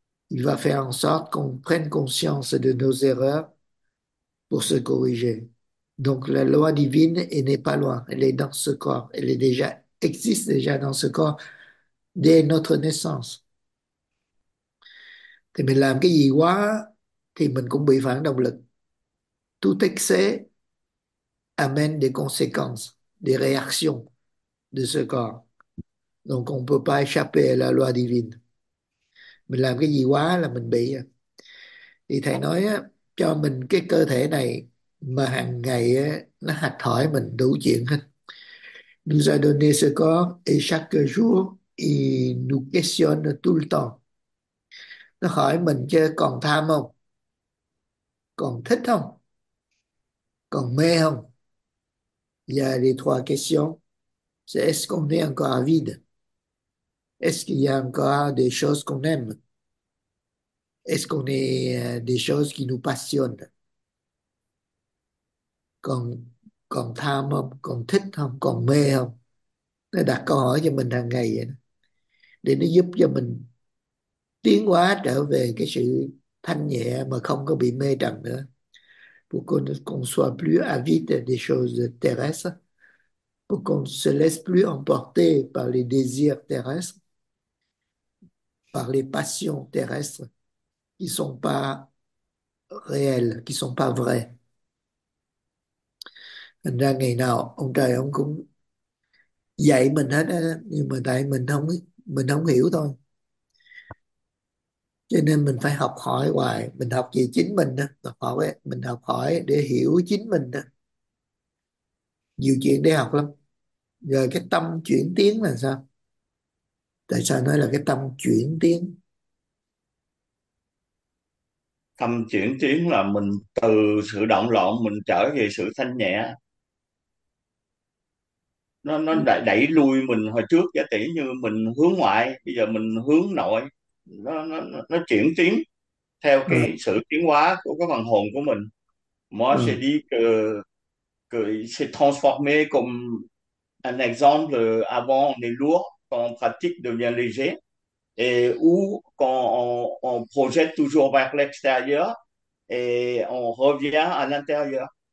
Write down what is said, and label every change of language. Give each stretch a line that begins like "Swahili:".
French: Il va faire en sorte qu'on prenne conscience de nos erreurs pour se corriger. Donc la loi divine, elle n'est pas loin, elle est dans ce corps, elle est déjà existe déjà dans ce corps dès notre naissance.
Vietnamese: Thì mình làm cái gì quá thì mình cũng bị phản động lực.
French: Tout excès amène des conséquences, des réactions de ce corps. Donc on ne peut pas échapper à la loi divine.
Vietnamese: Mình làm cái gì quá là mình bị. Thì thầy nói á, cho mình cái cơ thể này mà hàng ngày á, nó hạch hỏi mình đủ chuyện hết.
French: Nous a donné ce corps et chaque jour, il nous questionne tout le temps.
Vietnamese: Nó hỏi mình chứ còn tham không? Còn thích không? Còn mê không?
French: Il y a les trois questions. C'est est-ce qu'on est encore à vide? Est-ce qu'il y a encore des choses qu'on aime? Est-ce qu'on est des choses qui nous passionnent?
Vietnamese: Còn tham không, còn thích không, còn mê không, nó đặt câu hỏi cho mình hàng ngày vậy để nó giúp cho mình tiến hóa trở về cái sự thanh nhẹ mà không có bị mê trần nữa.
French: Pour qu'on ne soit plus avide des choses terrestres, pour qu'on se laisse plus emporter par les désirs terrestres, par les passions terrestres qui sont pas réelles, qui sont pas vraies.
Vietnamese: Thành ra ngày nào ông trời ông cũng dạy mình hết á, nhưng mà tại mình không hiểu thôi, cho nên mình phải học hỏi hoài, mình học về chính mình đó, mình học hỏi để hiểu chính mình đó. Nhiều chuyện để học lắm. Rồi cái tâm chuyển tiến là sao? Tại sao nói là cái tâm chuyển tiến? Tâm chuyển tiến là mình từ sự động loạn mình trở về sự thanh nhẹ, nó đẩy lui mình hồi trước, giả tỷ như mình hướng ngoại, bây giờ mình hướng nội, nó chuyển tiến theo cái sự tiến hóa của cái phần hồn của mình.
French: Moi j'ai dit que c'est transformé comme un exemple avant les lourds quand on pratique devient léger. Et où quand on projette toujours vers l'extérieur et on revient à l'intérieur.